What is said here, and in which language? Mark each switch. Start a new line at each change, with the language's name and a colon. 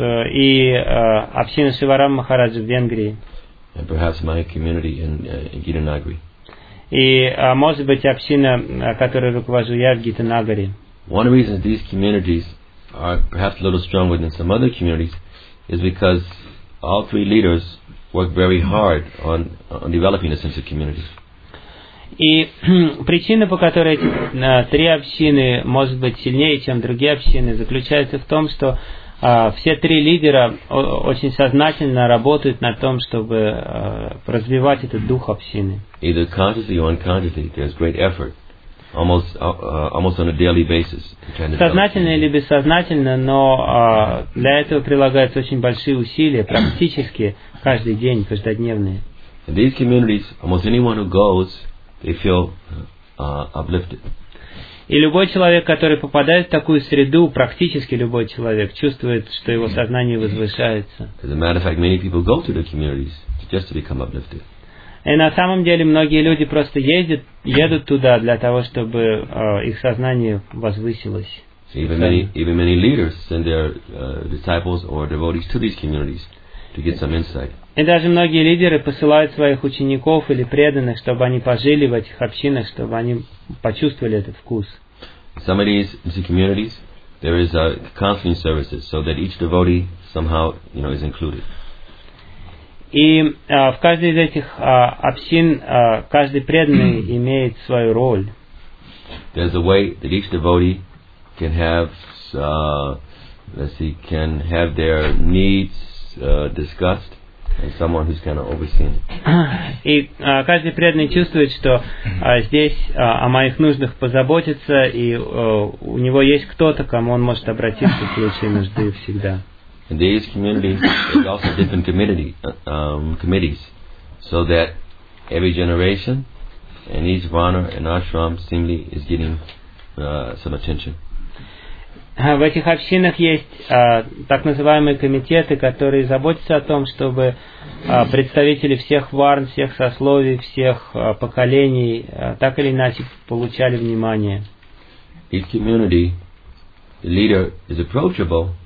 Russian: И община Шиварам Махараджа в Венгрии.
English: And perhaps my community in Gitanagari.
Russian: И может быть община, которой руковожу я в Гитанагари.
English: One reason these communities are perhaps a little stronger than some other communities is because all three leaders work very hard on developing a sense of community.
Russian: И причина, по которой эти три общины может быть сильнее, чем другие общины, заключается в том, что все три лидера очень сознательно работают над том, чтобы развивать этот дух общины.
English: Either consciously or unconsciously, there's great effort. Almost on a daily basis.
Russian: Сознательно или бессознательно, но для этого прилагаются очень большие усилия, практически каждый день, каждодневные.
English: In these communities, almost anyone who goes, they feel uplifted.
Russian: И любой человек, который попадает в такую среду, практически любой человек, чувствует, что его сознание возвышается.
English: As a matter of fact, many people go to the communities just to become uplifted.
Russian: И на самом деле многие люди просто едут туда для того, чтобы их сознание возвысилось.
English: So even many leaders send their disciples or devotees to these communities to get some insight.
Russian: И даже многие лидеры посылают своих учеников или преданных, чтобы они пожили в этих общинах, чтобы они почувствовали этот вкус.
English: Some of these communities there is counseling services so that each devotee somehow, you know, is included.
Russian: И в каждой из этих общин каждый преданный имеет свою роль.
English: There's a way that each devotee can have, can have their needs discussed, and someone who's kind of overseeing.
Russian: И каждый преданный чувствует, что здесь о моих нуждах позаботится, и у него есть кто-то, кому он может обратиться в случае нужды всегда.
English: And these communities are also different committees, so that every generation and each vana and ashram seemingly is getting some attention.
Russian: В этих общинах есть так называемые комитеты, которые заботятся о том, чтобы представители всех варн, всех сословий, всех поколений так или иначе получали внимание.
English: Each community, the leader is approachable.